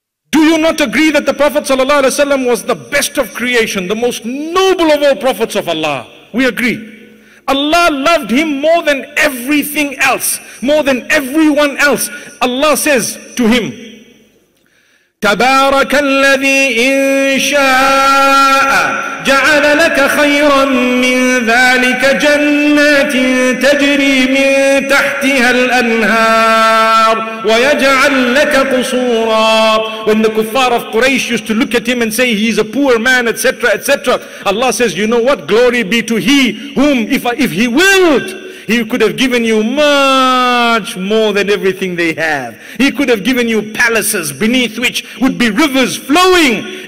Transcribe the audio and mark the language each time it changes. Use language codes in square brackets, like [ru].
[en] Do you not agree that the Prophet sallallahu alaihi wasallam was the best of creation, the most noble of all prophets of Allah? We agree. Allah loved him more than everything else, more than everyone else. Allah says to him, [ar] تبارك الذي إن شاء جعل لك خيرا من ذلك جنات تجري من تحتها الأنهار ويجعل لك قصورا. [en] When the kuffar of Quraysh used to look at him and say he's a poor man, etc., etc., Allah says, you know what? Glory be to He whom, if He willed, He could have given you much more than everything they have. He could have given you palaces beneath which would be rivers flowing.